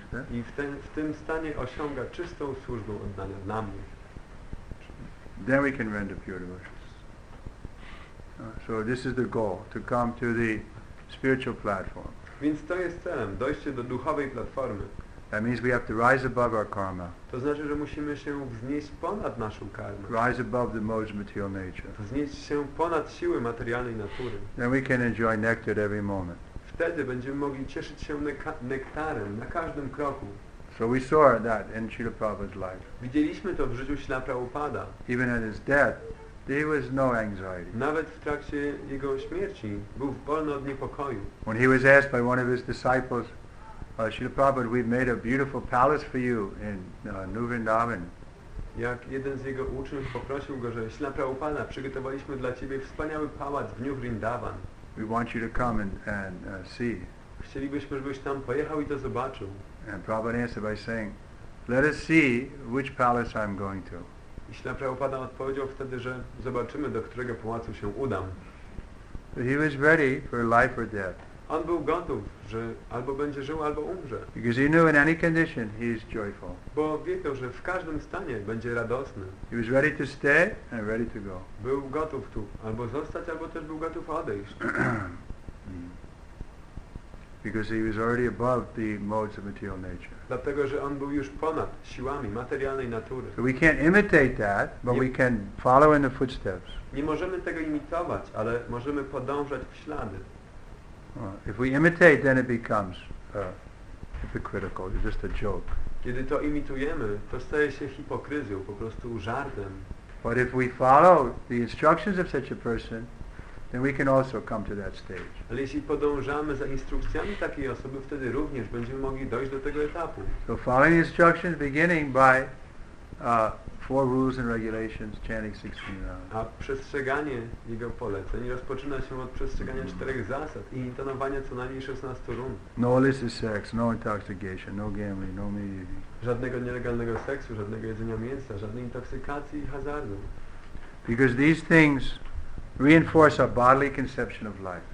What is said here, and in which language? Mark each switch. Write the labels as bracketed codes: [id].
[pl] I w tym stanie osiąga czystą służbę oddania dla mnie. [en] Then we can render pure devotions. So this is the goal, to come to the spiritual platform. [pl] Więc to jest celem, dojście do duchowej platformy. [en] That means we have to rise above our karma. [pl] To znaczy, że musimy się wznieść ponad naszą karmę. [en] Rise above the modes of material nature. [pl] Wznieść się ponad siły materialnej natury. [en] Then we can enjoy nectar at every moment. [pl] Wtedy będziemy mogli cieszyć się nektarem na każdym kroku. [en] So we saw that in Śrīla Prabhupāda's life. [pl] Widzieliśmy to w życiu Śrīla Prabhupāda. [en] Even at his death, there was no anxiety. [pl] Nawet w trakcie jego śmierci był wolny od niepokoju. [en] When he was asked by one of his disciples, Śrīla Prabhupāda, we've made a beautiful palace for you in New Vrindavan. [pl] Jak jeden z jego uczniów poprosił go, że Śrīla Prabhupāda, przygotowaliśmy dla ciebie wspaniały pałac w New Vrindavan. [en] We want you to come and see. [pl] Chcielibyśmy, żebyś tam pojechał i to zobaczył. [en] And Prabhupada answered by saying, let us see which palace I'm going to. [pl] I Śrīla Prabhupāda odpowiedział wtedy, że zobaczymy, do którego pałacu się udam. [en] But he was ready for life or death. [pl] On był gotów, że albo będzie żył, albo umrze. [en] Because he knew in any condition he is joyful. [pl] Bo wiedział, że w każdym stanie będzie radosny. [en] He was ready to stay and ready to go. [pl] Był gotów tu, albo zostać, albo też był gotów odejść. [en] Because he was already above the modes of material nature. [pl] Dlatego, że on był już ponad siłami materialnej natury. [en] So we can't imitate that, but we can follow in the footsteps. [pl] Nie możemy tego imitować, ale możemy podążać w ślady. [en] If we imitate, then it becomes hypocritical, it's just a joke. [pl] Kiedy to imitujemy, to staje się hipokryzją, po prostu żartem. [en] But if we follow the instructions of such a person, then we can also come to that stage. [pl] Ale jeśli podążamy za instrukcjami takiej osoby, wtedy również będziemy mogli dojść do tego etapu. [en] So following the instructions beginning by four rules and regulations, chanting 16 rounds. [pl] A przestrzeganie jego poleceń rozpoczyna się od przestrzegania czterech zasad i intonowania co najmniej 16 rund. [en] No illicit sex, no intoxication, no gambling, no meeting. [pl] Żadnego nielegalnego seksu, żadnego jedzenia mięsa, żadnej intoksykacji i hazardu. [en] Because these things reinforce our bodily conception of life.